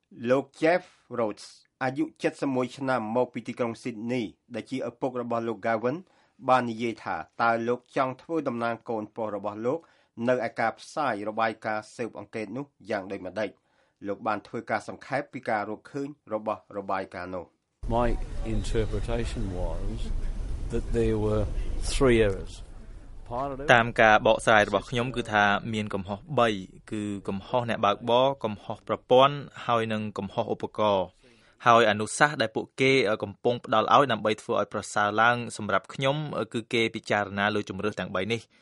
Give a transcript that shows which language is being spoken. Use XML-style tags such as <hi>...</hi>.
<km>លោក Jeff Rhodes អាយុ71ឆ្នាំមកពីទីក្រុង Sydney ដែលជាឪពុករបស់លោក Gavin បាននិយាយថាតើលោកចង់ធ្វើតំណាងកូនប្រុសរបស់លោកនៅឯការផ្សាយរបាយការណ៍ស៊ើបអង្កេតនោះយ៉ាងដូចម្តេចលោកបានធ្វើការសង្ខេបពីការរកឃើញរបស់របាយការណ៍នោះ</km> <en>My interpretation was that there were 3 errors.</en> <km>តាមការបកស្រាយរបស់ខ្ញុំគឺថាមានកំហុស3គឺកំហុសអ្នកបើកបរកំហុសប្រព័ន្ធហើយនិងកំហុសឧបករណ៍ហើយអនុសាសន៍ដែលពួកគេកំពុងផ្ដល់ឲ្យដើម្បីធ្វើឲ្យប្រសើរឡើងសម្រាប់ខ្ញុំគឺគេពិចារណាលើជម្រើសទាំង3នេះ</km>